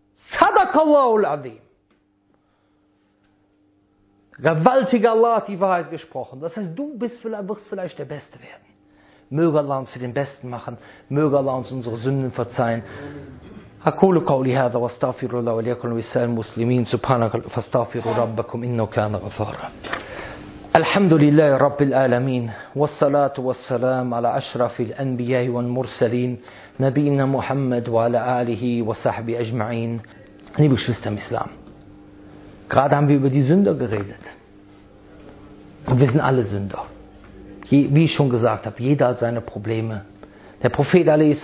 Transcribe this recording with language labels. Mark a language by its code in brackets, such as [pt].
[ar] Sadakallahu al-Azim. [de] Gewaltiger Allah hat die Wahrheit gesprochen. Das heißt, du bist vielleicht, wirst vielleicht der Beste werden. Möge Allah uns zu den Besten machen. Möge Allah uns unsere Sünden verzeihen. [ar] أقول قولي هذا واستغفر الله وليكن لسائر المسلمين سبحانك فاستغفروا ربكم إنه كان غفارا الحمد لله رب العالمين والصلاة والسلام على أشرف الأنبياء والمرسلين نبينا محمد وعلى آله وصحبه أجمعين [de] Liebe Geschwister im Islam, gerade haben wir über die Sünder geredet. Und wir sind alle Sünder. Wie ich schon gesagt habe, jeder hat seine Probleme. Der Prophet a.s.